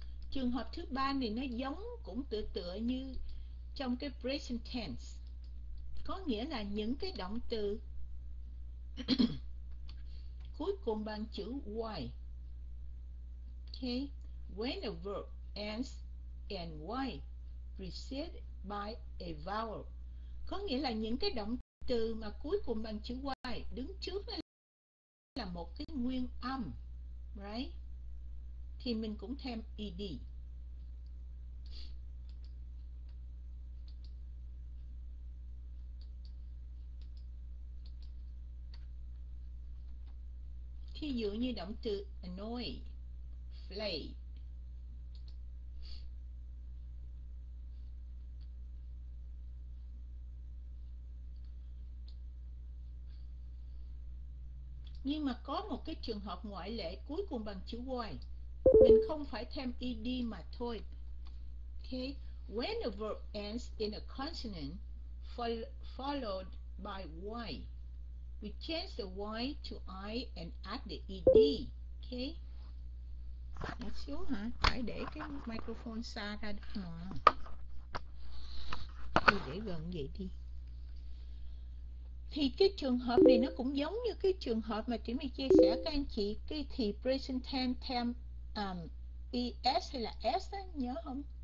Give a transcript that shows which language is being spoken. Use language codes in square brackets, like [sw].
[vi] Trường hợp thứ ba này nó giống, cũng tựa tựa như trong cái present tense. Có nghĩa là những cái động từ cuối cùng bằng chữ Y. Okay. [en] When a verb ends in Y preceded by a vowel. [vi] Có nghĩa là những cái động từ mà cuối cùng bằng chữ Y đứng trước là một cái nguyên âm. [en] Right? [vi] Thì mình cũng thêm ED. Ví dụ như động từ annoy, flay. Nhưng mà có một cái trường hợp ngoại lệ, cuối cùng bằng chữ y, mình không phải thêm ed mà thôi. Okay. [en] When a verb ends in a consonant followed by y, we change the y to i and add the ed. [vi] Okay. Một xíu hả? Phải để cái microphone xa ra đó mà. Thì để gần vậy đi. Thì cái trường hợp này nó cũng giống như cái trường hợp mà chị mới chia sẻ các anh chị, cái thì present tense thêm es hay là s á, nhớ không?